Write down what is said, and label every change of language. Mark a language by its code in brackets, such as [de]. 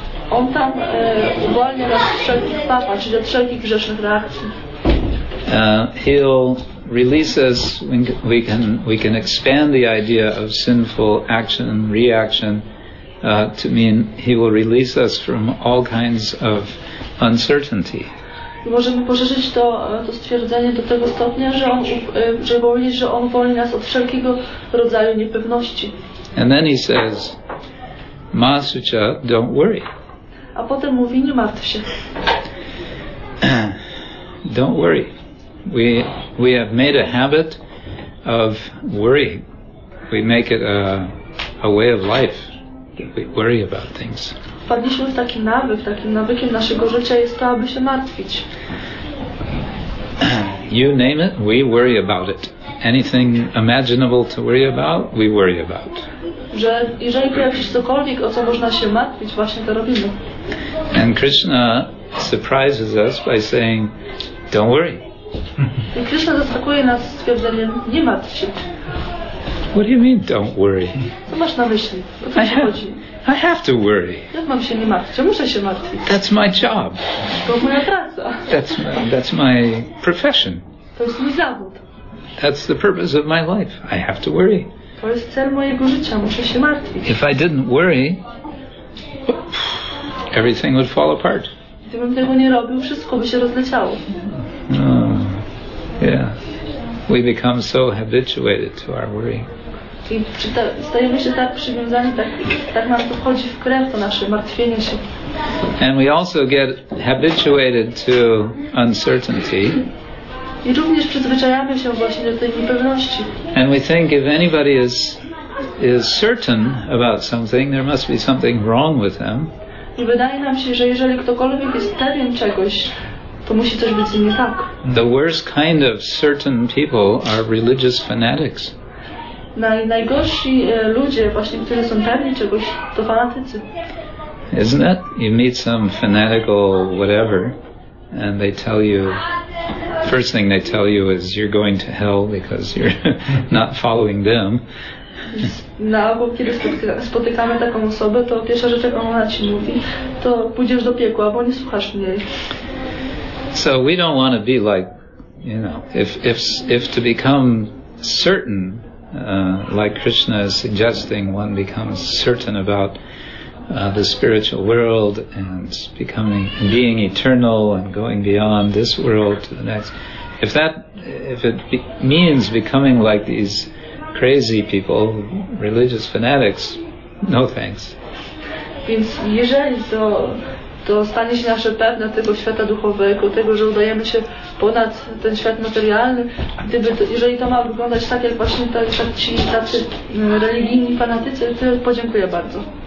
[pl] On tam uwolni nas wszelkich papa, czyli od wszelkich grzesznych reakcji. [en] He'll release us. We can expand the idea of sinful action and reaction to mean he will release us from all kinds of uncertainty. [pl] Możemy poszerzyć to stwierdzenie do tego stopnia, że on uwolni nas od wszelkiego rodzaju niepewności. [en] And then he says, Masucha, don't worry. [pl] A potem mówi, nie martw się. [en] Don't worry. We have made a habit of worrying. We make it a way of life. We worry about things. [pl] Wpadliśmy w taki nawyk, takim nawykiem naszego życia jest to, aby się martwić. [en] You name it, we worry about it. Anything imaginable to worry about, we worry about. [pl] Że jeżeli pojawi się cokolwiek, o co można się martwić, właśnie to robimy. [en] And Krishna surprises us by saying, don't worry. [pl] I Krishna zaskakuje nas stwierdzeniem, nie martw się. [en] What do you mean, don't worry? [pl] Co masz na myśli? O co się chodzi? [en] I have to worry. [pl] Ja mam się nie martwić. Ja muszę się martwić. [en] That's my job. [pl] To moja praca. [en] That's my profession. [pl] To jest mój zawód. [en] That's the purpose of my life. I have to worry. [pl] To jest cel mojego życia. Muszę się martwić. [en] If I didn't worry, everything would fall apart. [pl] Gdybym tego nie robił, wszystko by się rozleciało. [en] Oh, yeah. We become so habituated to our worry. [pl] I stajemy się tak przywiązani, tak nam to wchodzi w krew, to nasze martwienie się. [en] And we also get habituated to uncertainty. [pl] I również przyzwyczajamy się właśnie do tej niepewności. [en] And we think if anybody is certain about something, there must be something wrong with them. [pl] I wydaje nam się, że jeżeli ktokolwiek jest pewien czegoś, to musi coś być z nim nie tak. [en] The worst kind of certain people are religious fanatics. [pl] Najgorsi ludzie, właśnie, którzy są pewni czegoś, to fanatycy. [en] isn't it? You meet some fanatical whatever, and they tell you, first thing they tell you is you're going to hell because you're not following them. [pl] No, bo kiedy spotykamy taką osobę, to pierwsza rzecz, jaką ona ci mówi, to pójdziesz do piekła, bo nie słuchasz mnie. [en] So we don't want to be like, you know, if to become certain, like Krishna is suggesting, one becomes certain about the spiritual world and becoming, being eternal and going beyond this world to the next. If it means becoming like these crazy people, religious fanatics, no thanks. [pl] Więc jeżeli to stanie się nasze pewne tego świata duchowego, tego, że udajemy się ponad ten świat materialny, jeżeli to ma wyglądać tak, jak właśnie ci tacy religijni fanatycy, to podziękuję bardzo.